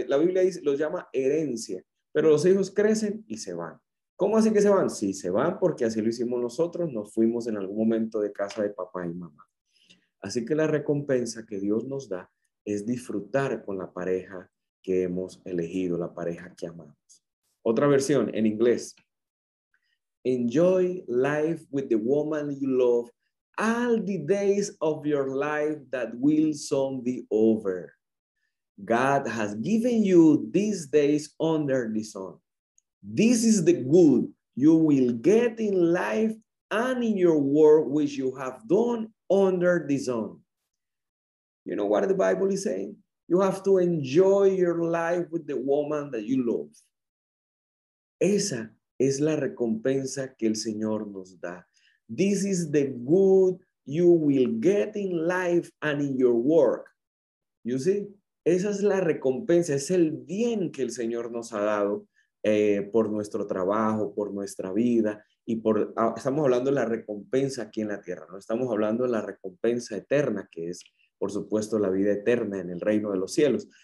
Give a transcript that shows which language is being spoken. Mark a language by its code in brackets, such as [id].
[es] La Biblia dice, los llama herencia, pero los hijos crecen y se van. ¿Cómo así que se van? Sí, se van porque así lo hicimos nosotros. Nos fuimos en algún momento de casa de papá y mamá. Así que la recompensa que Dios nos da es disfrutar con la pareja que hemos elegido, la pareja que amamos. Otra versión en inglés. [en] Enjoy life with the woman you love all the days of your life that will soon be over. God has given you these days under the sun. This is the good you will get in life and in your work which you have done under the sun. You know what the Bible is saying? You have to enjoy your life with the woman that you love. [es] Esa es la recompensa que el Señor nos da. [en] This is the good you will get in life and in your work. You see? [es] Esa es la recompensa, es el bien que el Señor nos ha dado por nuestro trabajo, por nuestra vida. Y por, estamos hablando de la recompensa aquí en la tierra, no estamos hablando de la recompensa eterna, que es, por supuesto, la vida eterna en el reino de los cielos.